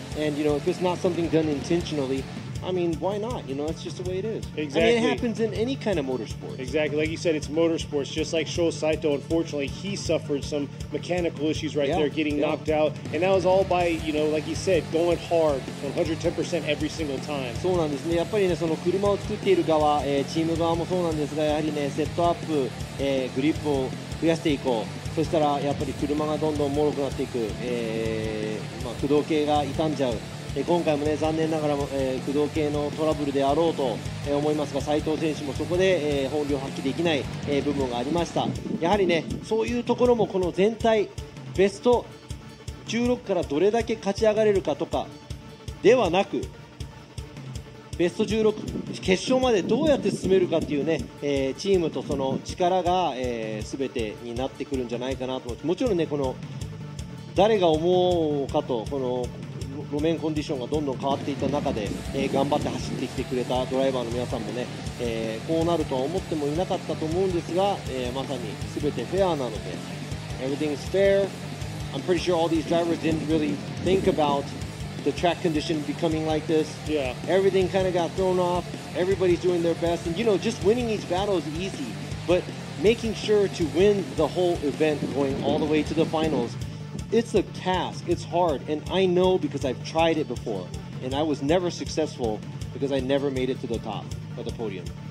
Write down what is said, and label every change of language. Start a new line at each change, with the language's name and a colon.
English: And, you know, if it's not something done intentionally, I mean, why not? You know, that's just the way it is. Exactly. I mean, it happens in any kind of motorsport. Exactly. Like you said, it's motorsports. Just like Sho Saito, unfortunately, he suffered some mechanical issues right there, getting knocked out. And that was all by, you know, like you said, going hard, 110% every single time.
Japanese: そうなんですね。やっぱりね、その車を作っている側、チーム側もそうなんですが、やはりね、セットアップ、グリップを増やしていこう。そしたら、やっぱり車がどんどん脆くなっていく。まあ、駆動系が傷んじゃう。今回もね残念ながらも、駆動系のトラブルであろうと、思いますが斉藤選手もそこで、本領発揮できない、部分がありました。やはりねそういうところもこの全体ベスト16からどれだけ勝ち上がれるかとかではなくベスト16決勝までどうやって進めるかっていうね、チームとその力が、全てになってくるんじゃないかなと思って、もちろんねこの誰が思うかとこの路面コンディションがどんどん変わっていた中で、頑張って走ってきてくれたドライバーの皆さんもね、こうなるとは思ってもいなかったと思うんですが、まさに全てフェアなので
English: Everything is fair. I'm pretty sure all these drivers didn't really think about the track condition becoming like this. Yeah. Everything kind of got thrown off. Everybody's doing their best. And you know, just winning each battle is easy. But making sure to win the whole event going all the way to the finals,It's a task, it's hard, and I know because I've tried it before, and I was never successful because I never made it to the top of the podium.